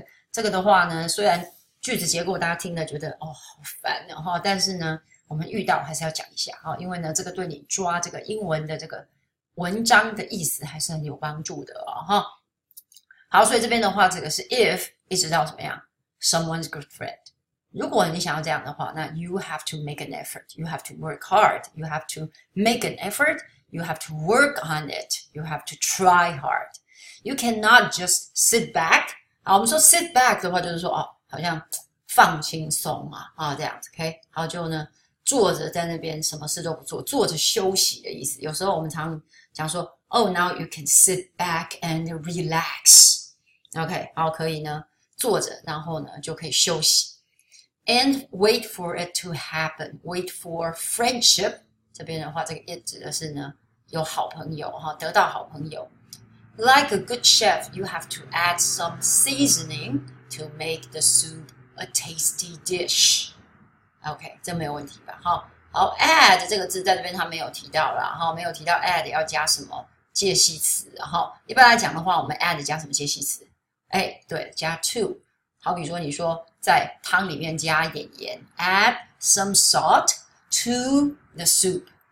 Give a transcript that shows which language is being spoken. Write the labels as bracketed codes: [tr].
[zh] 这个的话呢，虽然句子结构大家听了觉得哦好烦哦，但是呢，我们遇到还是要讲一下哈、哦，因为呢，这个对你抓这个英文的这个。文章的意思还是很有帮助的哦，哈。好，所以这边的话，这个是 if 一直到怎么样 ， [en] someone's good friend。 [zh] 如果你想要这样的话，那 [en] you have to make an effort, you have to work hard, you have to make an effort, you have to work on it, you have to try hard. You cannot just sit back。 [zh] 好，我们说 sit back 的话，就是说哦，好像放轻松嘛，这样子 ，OK。好，就呢。坐着在那边什么事都不做，坐着休息的意思。有时候我们常讲说 [en] ，Oh, now you can sit back and relax. [zh] OK， 好，可以呢，坐着，然后呢就可以休息。 [en] And wait for it to happen. Wait for friendship. [zh] 这边的话，这个 it 指的是呢，有好朋友哈，得到好朋友。 [en] Like a good chef, you have to add some seasoning to make the soup a tasty dish. [zh] OK， 这没有问题吧？好，好 ，add 这个字在这边他没有提到啦，哈，没有提到 add 要加什么介系词。然后一般来讲的话，我们 add 加什么介系词？哎，对，加 to。好比说，你说在汤里面加一点盐 ， [en] add some salt to the soup。